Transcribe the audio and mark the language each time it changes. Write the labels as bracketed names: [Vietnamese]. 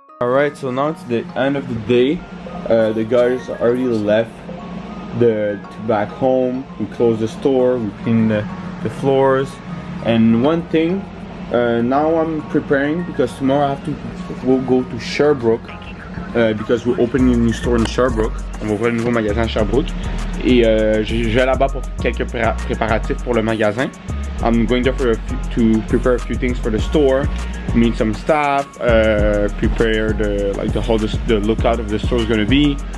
[English] Alright, so now it's the end of the day. The guys already left the back home. We closed the store, we cleaned the floors. And one thing, now I'm preparing because tomorrow we'll go to Sherbrooke because we're opening a new store in Sherbrooke. [French] On va ouvrir un nouveau magasin à Sherbrooke. Et je vais là-bas pour quelques préparatifs pour le magasin. [English] I'm going there to prepare a few things for the store. Meet some staff, prepare the lookout of the store is gonna be.